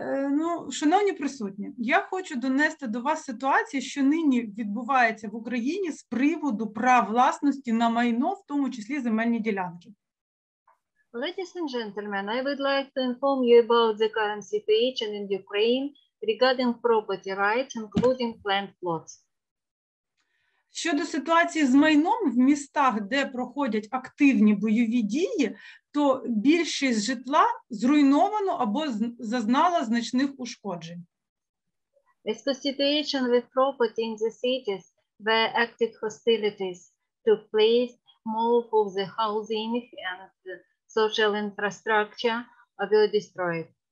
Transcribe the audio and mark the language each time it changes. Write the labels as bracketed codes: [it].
[uk] Ну, шановні присутні, я хочу донести до вас ситуацію, що нині відбувається в Україні з приводу прав власності на майно, в тому числі земельні ділянки. [en] Ladies and gentlemen, I would like to inform you about the current situation in Ukraine regarding property rights, including land plots. [uk] Щодо ситуації з майном в містах, де проходять активні бойові дії, то більшість житла зруйновано або зазнала значних ушкоджень. [en] It's the situation with property in the cities where active hostilities took place, more of the housing and the social infrastructure were destroyed.